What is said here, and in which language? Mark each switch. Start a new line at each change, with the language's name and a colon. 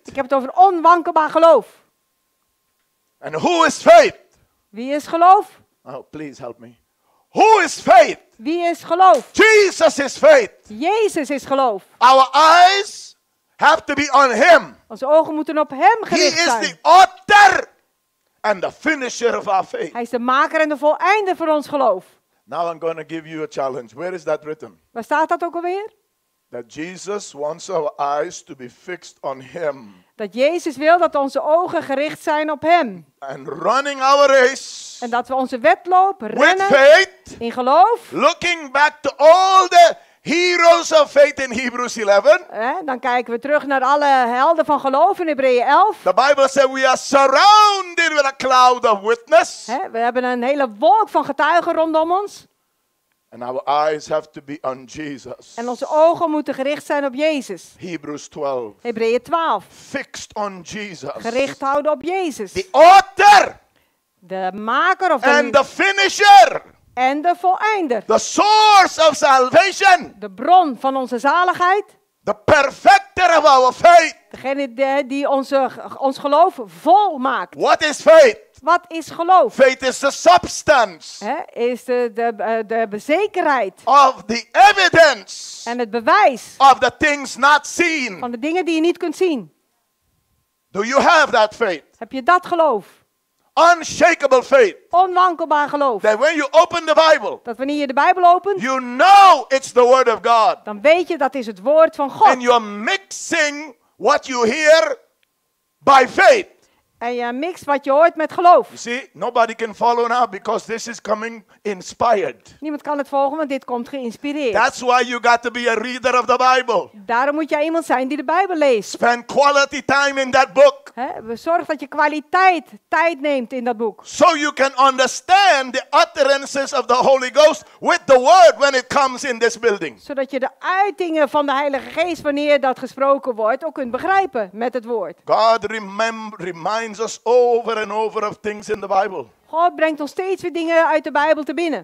Dutch: Ik heb het over onwankelbaar geloof.
English: And who is faith?
Dutch: Wie is geloof?
English: Oh, please help me. Who is faith?
Dutch: Wie is geloof?
English: Jesus is faith.
Dutch: Jezus is geloof.
English: Our eyes have to be on him.
Dutch: Onze ogen moeten op hem gericht zijn.
English: He is the author and the finisher of our faith.
Dutch: Hij is de maker en de voleinder voor ons geloof.
English: Now I'm going to give you a challenge. Where is that written?
Dutch: Waar staat dat ook alweer?
English: That Jesus wants our eyes to be fixed on him.
Dutch: Dat Jezus wil dat onze ogen gericht zijn op hem.
English: And running our race.
Dutch: En dat we onze wedloop rennen.
English: With faith.
Dutch: In geloof.
English: Looking back to all the heroes of faith in Hebrews 11.
Dutch: Dan kijken we terug naar alle helden van geloof in Hebreeën 11.
English: The Bible says we are surrounded with a cloud of witness.
Dutch: We hebben een hele wolk van getuigen rondom ons.
English: And our eyes have to be on Jesus.
Dutch: En onze ogen moeten gericht zijn op Jezus.
English: Hebrews 12.
Dutch: Hebreeën 12.
English: Fixed on Jesus.
Dutch: Gericht houden op Jezus.
English: The author.
Dutch: De maker of
English: and the finisher.
Dutch: En de voleinder.
English: The source of salvation.
Dutch: De bron van onze zaligheid.
English: The perfecter of our faith.
Dutch: Degene die ons geloof vol maakt.
English: What is faith?
Dutch: Wat is geloof?
English: Faith is the substance.
Dutch: Is de bezekerheid.
English: Of the evidence.
Dutch: En het bewijs.
English: Of the things not seen.
Dutch: Van de dingen die je niet kunt zien.
English: Do you have that faith?
Dutch: Heb je dat geloof?
English: Unshakable faith.
Dutch: Onwankelbaar geloof.
English: That when you open the Bible.
Dutch: Dat wanneer je de Bijbel opent.
English: You know it's the word of God.
Dutch: Dan weet je dat is het woord van God.
English: And you're mixing what you hear by faith.
Dutch: En je mixt wat je hoort met geloof.
English: You see, nobody can follow now because this is coming inspired.
Dutch: Niemand kan het volgen, want dit komt geïnspireerd.
English: That's why you got to be a reader of the Bible.
Dutch: Daarom moet jij iemand zijn die de Bijbel leest.
English: Spend quality time in that book.
Dutch: Zorg dat je kwaliteit tijd neemt in dat boek.
English: So you can understand the utterances of the Holy Ghost with the word when it comes in this building.
Dutch: Zodat je de uitingen van de Heilige Geest wanneer dat gesproken wordt ook kunt begrijpen met het woord.
English: God reminds us over and over of things in the Bible.
Dutch: God brengt ons steeds weer dingen uit de Bijbel te binnen.